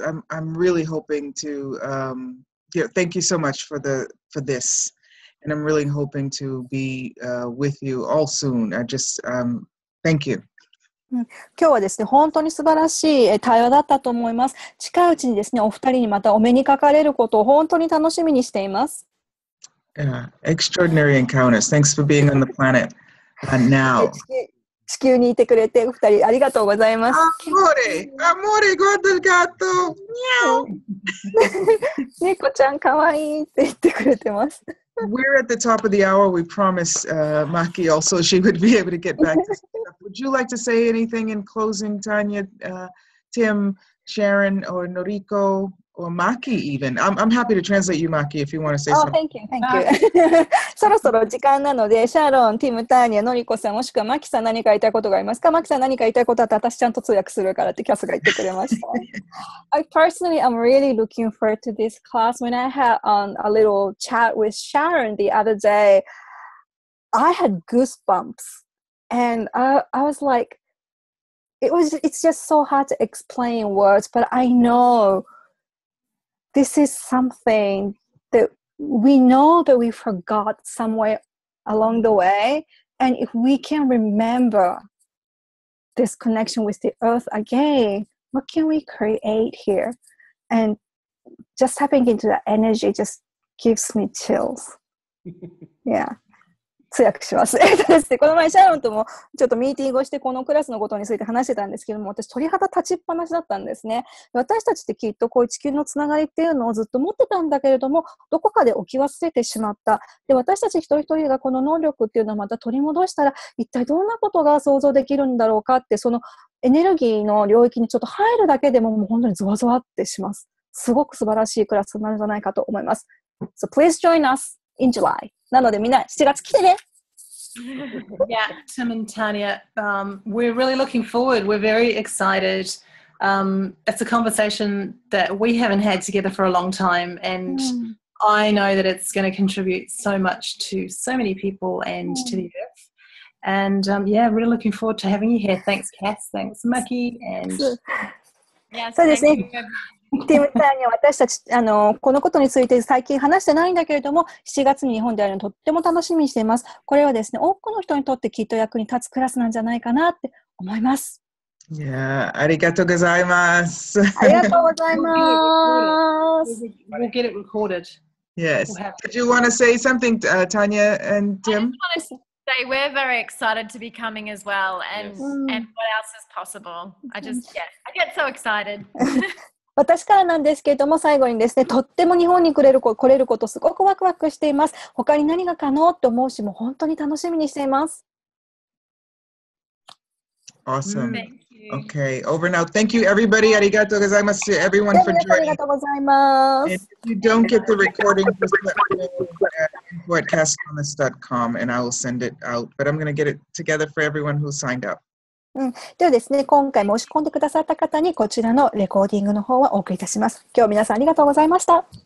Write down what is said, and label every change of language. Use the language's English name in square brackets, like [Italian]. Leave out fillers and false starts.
[English] I'm really hoping to, thank you so much for this. And I'm really hoping to be with you all soon. Thank you. [Japanese] 今日はですね、本当に素晴らしい対話だったと思います。近いうちにですね、お二人にまたお目にかかれることを本当に楽しみにしています。 [English] Extraordinary encounters. Thanks for being on the planet now. [Japanese] 地球にいてくれて、二人ありがとうございます。アモーレ、アモーレ、グアドルガート、ニャオ。猫ちゃん、かわいいって言ってくれてます。 [English] We're at the top of the hour. We promise, Maki also she would be able to get back to stuff. Would you like to say anything in closing, Tanya, Tim, Sharon, or Noriko, or Maki even. I'm happy to translate you, Maki, if you want to say something. Oh, thank you, thank you. [Japanese] そろそろ時間なので、シャーロン、ティム、ターニア、ノリコさん、もしくはマキさん、何か言いたいことがありますか？マキさん、何か言いたいことだったら、私ちゃんと通訳するからってキャスが言ってくれました。 [English] I personally am really looking forward to this class. When I had a little chat with Sharon the other day, I had goosebumps. And I was like, it's just so hard to explain words, but I know this is something that we know that we forgot somewhere along the way. And if we can remember this connection with the earth again, what can we create here? And just tapping into that energy just gives me chills. [Japanese] Yeah. 通訳します。この前シャロンともちょっとミーティングをしてこのクラスのことについて話してたんですけども、私鳥肌立ちっぱなしだったんですね。私たちってきっとこういう地球のつながりっていうのをずっと持ってたんだけれども、どこかで置き忘れてしまった。で、私たち一人一人がこの能力っていうのをまた取り戻したら、一体どんなことが想像できるんだろうかって、そのエネルギーの領域にちょっと入るだけでももう本当にゾワゾワってします。すごく素晴らしいクラスになるんじゃないかと思います。 [English] So please join us in July. [Japanese] なのでみんな7月来てね。 [English] Yeah, Tim and Tanya, we're really looking forward. We're very excited. It's a conversation that we haven't had together for a long time, and I know that it's going to contribute so much to so many people and to the earth. And yeah, really looking forward to having you here. Thanks, Kass. Thanks, Maki. And yeah, so thank you. [Japanese] ティムさんには私たちこのことについて最近話してないんだけれども7月に日本であるのとっても楽しみにしています。これはですね多くの人にとってきっと役に立つクラスなんじゃないかなって思います。いやーありがとうございます。ありがとうございます。 [English] We'll get it recorded. Yes. Did you want to say something, Tanya and Tim? I just want to say we're very excited to be coming as well and, and what else is possible. I get so excited. [Japanese] 私からなんですけれども最後にですねとっても日本に来れることすごくワクワクしています。他に何が可能と思うしも本当に楽しみにしています。 [English] Awesome. OK. Over now. Thank you everybody. [Japanese] ありがとうございます。 [English] Everyone for joining. [Japanese] ありがとうございます。 [English] If you don't get the recording, just let me know at castcomments.com and I will send it out. But I'm going to get it together for everyone who signed up. [Japanese] ではですね、今回申し込んでくださった方にこちらのレコーディングの方をお送りいたします。今日皆さんありがとうございました。